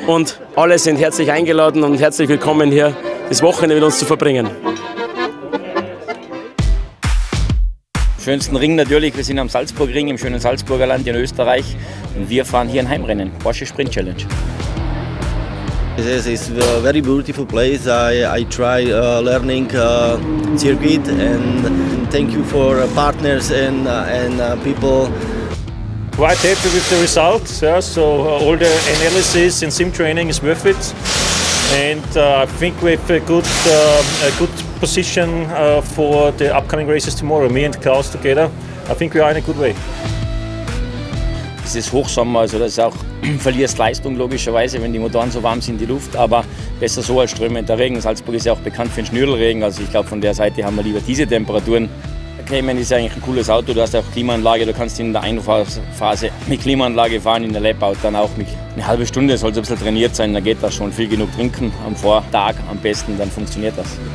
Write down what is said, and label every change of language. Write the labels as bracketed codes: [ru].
[de] Und alle sind herzlich eingeladen und herzlich willkommen hier das Wochenende mit uns zu verbringen. Schönsten Ring natürlich, wir sind am Salzburgring im schönen Salzburger Land in Österreich. Und wir fahren hier ein Heimrennen, Porsche Sprint Challenge. [en] This is a very beautiful place. I try learning circuit and thank you for partners and people. Quite happy with the result, yeah. So all the analysis and sim training is worth it. And I think we have a good position for the upcoming races tomorrow, me and Klaus together. I think we are in a good way. [de] Es ist Hochsommer, also das ist auch, verlierst Leistung logischerweise, wenn die Motoren so warm sind, die Luft, aber besser so als strömender Regen. Salzburg ist ja auch bekannt für den Schnürlregen, also ich glayube von der Seite haben wir lieber diese Temperaturen. Cayman ist ja eigentlich ein cooles Auto, du hast auch Klimaanlage, du kannst in der Einfahrphase mit Klimaanlage fahren, in der Lap-Out dann auch mit eine halbe Stunde, soll es ein bisschen trainiert sein, dann geht das schon, viel genug trinken am Vortag am besten, dann funktioniert das.